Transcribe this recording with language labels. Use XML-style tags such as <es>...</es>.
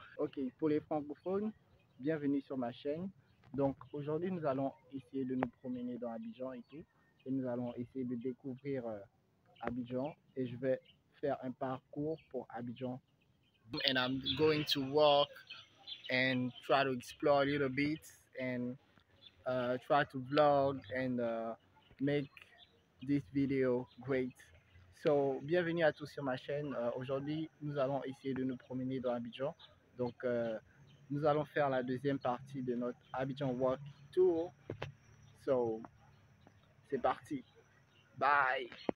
<fr>okay, pour les francophones, bienvenue sur ma chaîne. Donc aujourd'hui nous allons essayer de nous promener dans Abidjan et tout, et nous allons essayer de découvrir Abidjan, et je vais faire un parcours pour Abidjan.</fr> <en>And I'm going to walk and try to explore a little bit and try to vlog and make this video great.</en> <fr>So, bienvenue à tous sur ma chaîne. Aujourd'hui, nous allons essayer de nous promener dans Abidjan. Donc, nous allons faire la deuxième partie de notre Abidjan Walk Tour. So, c'est parti. Bye!</fr>